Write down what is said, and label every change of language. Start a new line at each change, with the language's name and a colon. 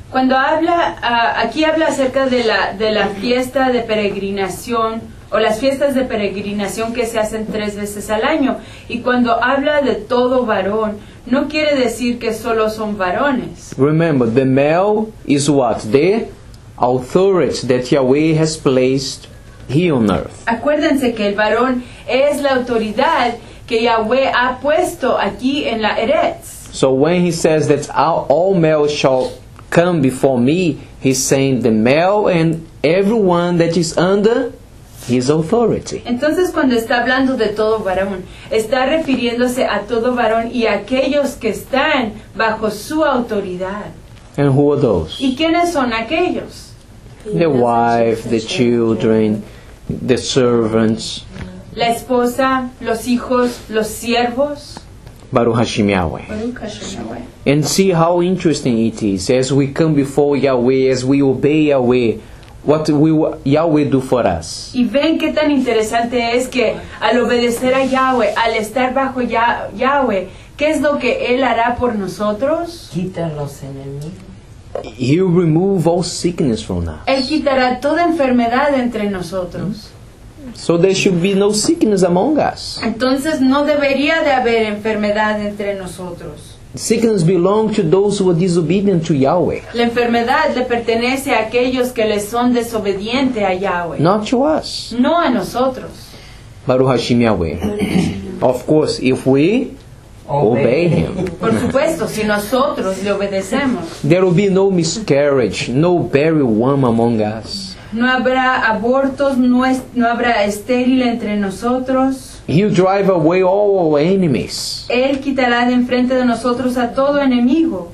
Spanish: Cuando habla, aquí habla acerca de la fiesta de peregrinación, o las fiestas de peregrinación que se hacen tres veces al año. Y cuando habla de todo varón, no quiere decir que solo son varones.
English: Remember, the male is what? The authority that Yahweh has placed here on earth.
Spanish: Acuérdense que el varón es la autoridad que Yahweh ha puesto aquí en la Eretz.
English: So when he says that all males shall come before me, he's saying the male and everyone that is under his authority.
Spanish: Entonces, cuando está hablando de todo varón, está refiriéndose a todo varón y aquellos que están bajo su autoridad.
English: And who are those?
Spanish: ¿Y quiénes son aquellos?
English: The wife, the children, the servants.
Spanish: La esposa, los hijos, los siervos.
Hebrew: Baruch Hashem Yahweh.
English: And see how interesting it is. As we come before Yahweh, as we obey Yahweh, what will Yahweh do for us?
Spanish: Y ven qué tan interesante es que al obedecer a Yahweh, al estar bajo Yahweh, ¿qué es lo que Él hará por nosotros? Quita los enemigos.
English: He will remove all sickness from us.
Spanish: Él quitará toda enfermedad entre nosotros.
English: So there should be no sickness among us.
Spanish: Entonces no debería de haber enfermedad entre nosotros.
English: Sickness belong to those who are disobedient to Yahweh.
Spanish: La enfermedad le pertenece a aquellos que le son desobedientes a Yahweh.
English: Not to us.
Spanish: No a nosotros.
Hebrew: Baruch Hashem Yahweh.
English: Of course, if we obey Him.
Spanish: Por supuesto, si nosotros le obedecemos.
English: There will be no miscarriage, no barren womb among us.
Spanish: No habrá abortos, no habrá estéril entre nosotros.
English: He'll drive away all our enemies.
Spanish: Él quitará de enfrente de nosotros a todo enemigo.